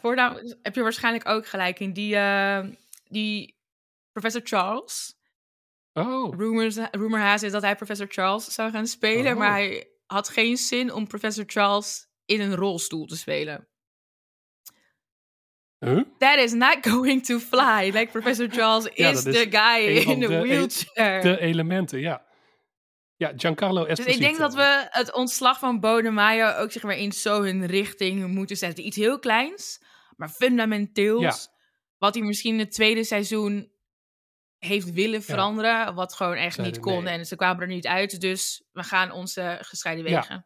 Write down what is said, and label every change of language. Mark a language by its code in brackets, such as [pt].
[nl] Voornaam heb je waarschijnlijk ook gelijk in die Professor Charles. Oh. [en] Rumor has it [nl] dat hij Professor Charles zou gaan spelen. Oh. Maar hij had geen zin om Professor Charles in een rolstoel te spelen. Huh? [en] That is not going to fly. Like Professor Charles is the guy in a wheelchair. [nl] De elementen, ja. Ja, Giancarlo Esposito. Dus ik denk dat we het ontslag van Bodemeyer ook zeg maar in zo hun richting moeten zetten. Iets heel kleins, maar fundamenteels. Ja. Wat hij misschien in het tweede seizoen heeft willen veranderen, wat gewoon echt niet kon. Nee. En ze kwamen er niet uit, dus we gaan onze gescheiden wegen.